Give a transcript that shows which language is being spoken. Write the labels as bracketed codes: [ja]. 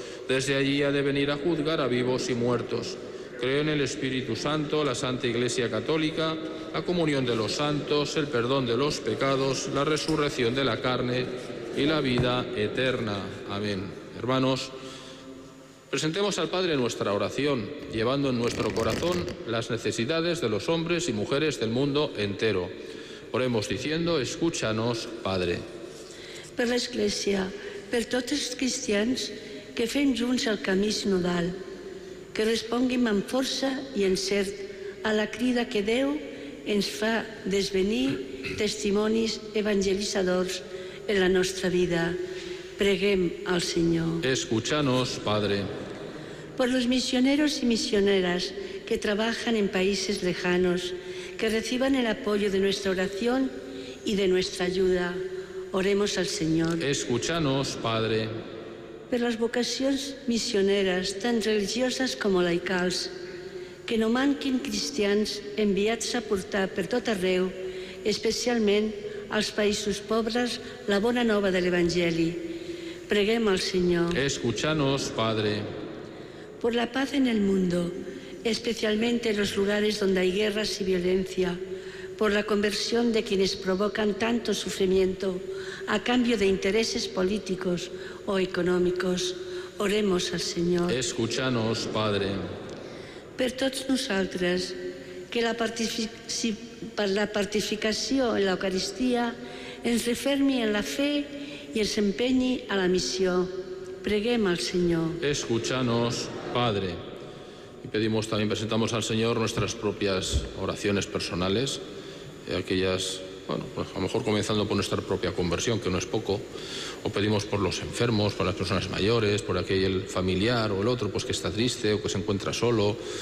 [es] Desde allí ha de venir a juzgar a vivos y muertos. Creo en el Espíritu Santo, la Santa Iglesia Católica, la comunión de los santos, el perdón de los pecados, la resurrección de la carne y la vida eterna. Amén. Hermanos, presentemos al Padre nuestra oración, llevando en nuestro corazón las necesidades de los hombres y mujeres del mundo entero. Oremos diciendo, escúchanos, Padre. [ca] Per l'Església, per tots els cristians que fem junts el camí sinodal, que responguin amb força i encert a la crida que Déu ens fa desvenir testimonis evangelitzadors en la nostra vida. Preguem al Señor. [es] Escúchanos, Padre. Por los misioneros y misioneras que trabajan en países lejanos, que reciban el apoyo de nuestra oración y de nuestra ayuda. Oremos al Señor. Escúchanos, Padre. Por las vocaciones misioneras, tan religiosas como laicales, que no manquen cristianos enviados [ca] a portar per tot arreu, [es] especialmente [ca] als països pobres, la bona nova de l'Evangeli. Preguem al Señor. [es] Escúchanos, Padre. Por la paz en el mundo, especialmente en los lugares donde hay guerras y violencia, por la conversión de quienes provocan tanto sufrimiento a cambio de intereses políticos o económicos, oremos al Señor. Escúchanos, Padre. [ca] Per tots nosaltres, que la participació per la participació en l'Eucaristia ens refermi en la fe i ens empenyi a la missió. Preguem al Señor. [es] Escúchanos, Padre. Y pedimos también, presentamos al Señor nuestras propias oraciones personales, aquellas, bueno, pues a lo mejor comenzando por nuestra propia conversión, que no es poco, o pedimos por los enfermos, por las personas mayores, por aquel familiar o el otro, pues que está triste o que se encuentra solo.